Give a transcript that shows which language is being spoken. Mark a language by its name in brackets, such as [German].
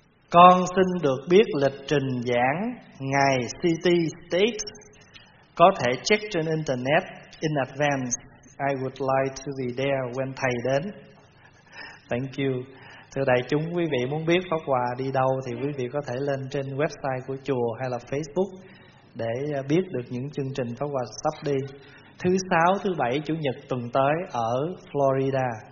[Vietnamese] Con xin được biết lịch trình giảng ngày CT State, có thể check trên internet [English] in advance. I would like to be there when [Vietnamese] thầy đến. [English] Thank you. [Vietnamese] Thưa đại chúng, quý vị muốn biết Pháp Hòa đi đâu thì quý vị có thể lên trên website của chùa hay là Facebook để biết được những chương trình Pháp Hòa sắp đi. Thứ sáu, thứ bảy, chủ nhật tuần tới ở Florida.